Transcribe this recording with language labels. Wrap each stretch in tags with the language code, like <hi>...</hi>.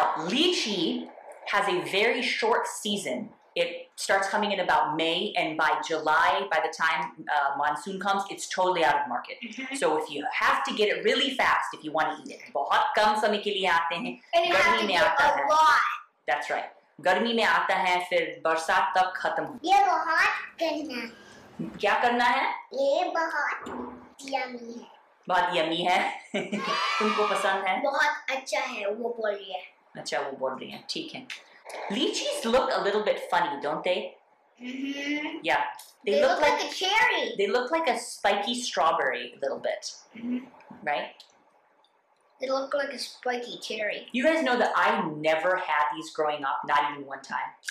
<en>Lychee has a very short season. It starts coming in about May, and by July, by the time monsoon comes, it's totally out of market. Mm-hmm. So if you have to get it really fast, if you want to eat it,</en> <hi>bahut kam samay ke liye aate hain.</hi> <en>And you have to get a lot. That's right.</en> <hi>गर्मी में आता है फिर बरसात तक खत्म ये बहुत करना है क्या करना है ये बहुत यम्मी है बहुत यम्मी है तुमको पसंद है बहुत अच्छा है वो बोल रही है अच्छा वो बोल रही है ठीक है</hi> <en>Lychees look a little bit funny don't they mm-hmm. yeah they look like a cherry they look like a spiky strawberry a little bit mm-hmm. right They look like a spiky cherry. You guys know that I never had these growing up, not even one time.</en>